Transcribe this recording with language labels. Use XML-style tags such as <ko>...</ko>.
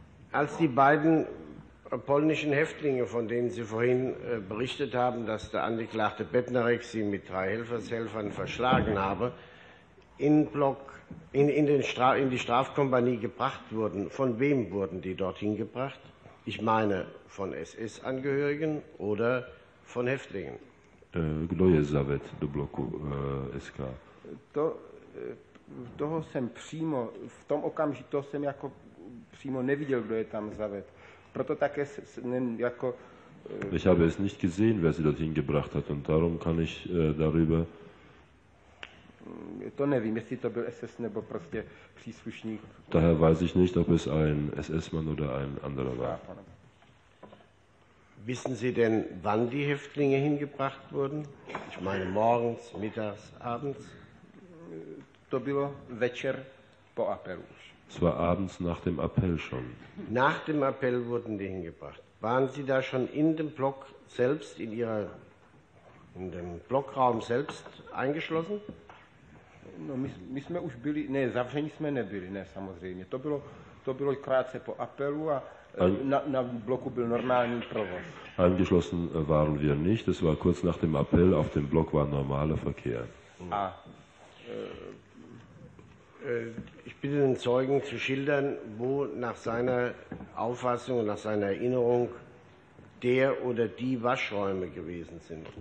<de>Als die beiden polnischen Häftlinge, von denen Sie vorhin berichtet haben, dass der Angeklagte Bebnarek sie mit drei Helfershelfern verschlagen habe, in die Strafkompanie gebracht wurden. Von wem wurden die dorthin gebracht? Ich meine, von SS-Angehörigen oder von Häftlingen?</de> <cs>Gloje Zavet do bloku SK. Toho jsem přímo, v tom okamžiku to jsem jako přímo neviděl, kdo je tam Zavet. Proto také jsem jako...</cs> <de>Ich habe es nicht gesehen, wer sie dorthin gebracht hat und darum kann ich darüber...</de> <cs>To nevím, jestli to byl SS nebo prostě příslušník.</cs> <de>Daher weiß ich nicht, ob es ein SS-Mann oder ein anderer war. Wissen Sie denn, wann die Häftlinge hingebracht wurden? Ich meine morgens, mittags, abends?</de> <cs>To bylo večer po apelu.</cs> <de>Es war abends nach dem Appell schon. Nach dem Appell wurden die hingebracht. Waren Sie da schon in dem Block selbst in Ihrer, in dem Blockraum selbst eingeschlossen?</de> <cs>No, my jsme už byli, ne, zavření jsme nebyli, ne, samozřejmě. To bylo krátce po apelu a na bloku byl normální provoz.</cs> <de>Eingeschlossen waren wir nicht, es war kurz nach dem Appell, auf dem Block war normaler Verkehr. A ich bitte den Zeugen zu schildern, wo nach seiner Auffassung, nach seiner Erinnerung der oder die Waschräume gewesen sind.</de>